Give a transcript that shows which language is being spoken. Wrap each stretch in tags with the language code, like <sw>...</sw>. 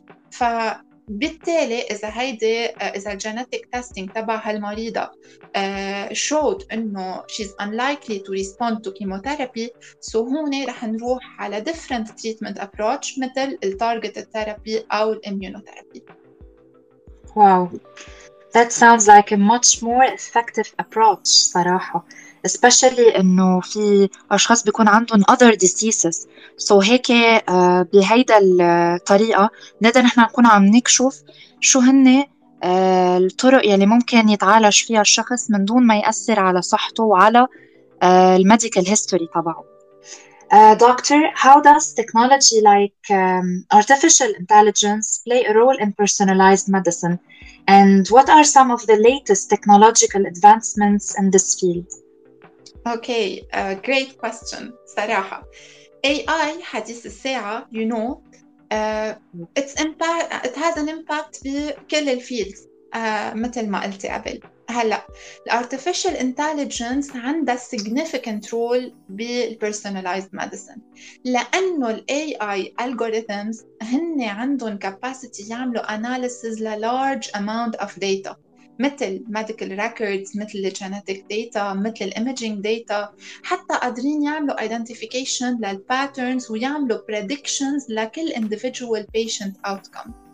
<ar>فبالتالي إذا هيدي إذا الجينيتك تستينج تبع هالمريضة</ar> <en>showed</en> <ar>إنه</ar> <en>she's unlikely to respond to chemotherapy, so</en> <ar>هوني رح نروح على</ar> <en>different treatment approach</en> <ar>مثل التارجتد ثيرابي أو الإميونوثيرابي.</ar> <en>Wow, that sounds like a much more effective approach</en> <ar>صراحة.</ar> <en>Especially</en> <ar>إنه في أشخاص بيكون عندهم</ar> <en>other diseases.</en> <ar>So هيك بهيدا الطريقة نقدر نحن نكون عم نكشف شو هن الطرق يلي ممكن يتعالج فيها الشخص من دون ما يأثر على صحته وعلى الميديكال هيستوري تبعه.</ar> <en>Doctor, how does technology like artificial intelligence play a role in personalized medicine? And what are some of the latest technological advancements in this field? Okay, great question, Saraha. AI,</en> <ar>حديث الساعة,</ar> <en>you know, it's impact, it has an impact</en> <ar>بكل الفيلد, مثل ما قلتي قبل. هلا الارتفيشال انتليجنس عندها سيجنيفيكانت رول بالبرسونالايزد ميديسن لانه الاي اي الجوريثمز هن عندهم كاباسيتي يعملوا اناليسز للارج اماونت اوف داتا مثل ميديكال ريكوردز مثل الجينيتك داتا مثل الايمجينج داتا حتى قادرين يعملوا ايدنتيفيكيشن للباترنز ويعملوا بريدكشنز لكل انديفيديوال بيشنت اوتكم</ar>